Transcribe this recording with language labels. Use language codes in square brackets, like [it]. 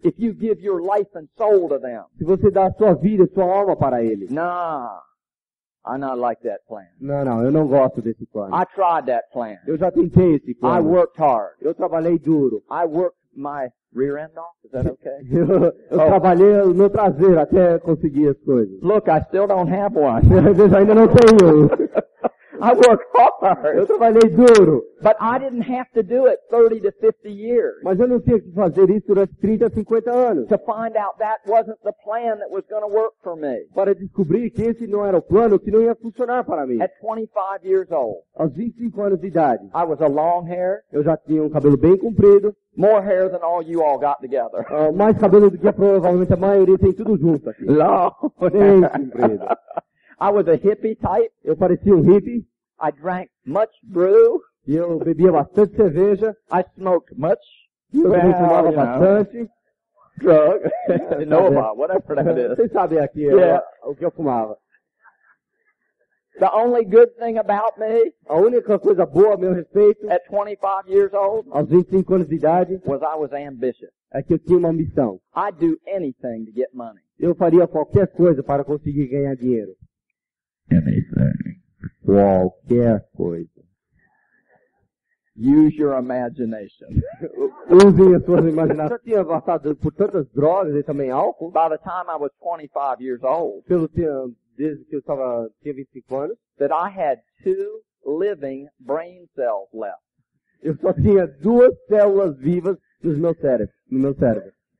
[en] If you give your life and soul to them. [pt] Se você dá a sua vida, sua alma para ele. [en] Nah. I not like that plan. [pt] Não, eu não gosto desse plano. [en] I tried that plan. [pt] Eu já tentei esse plano. [en] I worked hard. [pt] Eu trabalhei duro. [en] I worked my rear end off, is that okay? [pt] Eu trabalhei no traseiro até conseguir as coisas. [en] Look, I still don't have one. [pt] Eu ainda não tenho. [en] I work hard. Eu trabalhei duro. But I didn't have to do it 30 to 50 years. [pt] Mas eu não tinha que fazer isso durante 30 a 50 anos. [en] To find out that wasn't the plan that was going to work for me. [pt] Para descobrir que esse não era o plano que não ia funcionar para mim. [en] At 25 years old. [pt] Aos 25 anos de idade. [en] I was a long hair. [pt] Eu já tinha cabelo bem comprido. [en] More hair than all you all got together. [pt] Mais cabelo do que provavelmente a maioria tem tudo junto aqui. [en] Long. [pt] Bem comprido. [en] I was a hippie type. [pt] Eu parecia hippie. [en] I drank much brew. [pt] E eu bebia bastante cerveja. [en] I smoked much. [pt] Eu fumava bastante. [en] Drug. You know about whatever that is. [pt] Você sabe aqui o que eu fumava. [en] The only good thing about me, [pt] a única coisa boa a meu respeito, [en] at 25 years old, [pt] aos 25 anos de idade, [en] was I was ambitious. [pt] É que eu tinha uma ambição. [en] I'd do anything to get money. [pt] Eu faria qualquer coisa para conseguir ganhar dinheiro. [en] Anything. [pt] Qualquer coisa. [en] Use your imagination. [pt] Use as suas imaginações. Eu tinha passado por tantas drogas e também álcool. [en] By the time I was 25 years old. [pt] Pelo tempo desde que eu estava tinha 25 anos. [en] That I had two living brain cells left. [pt] Eu só tinha duas células vivas no meu cérebro.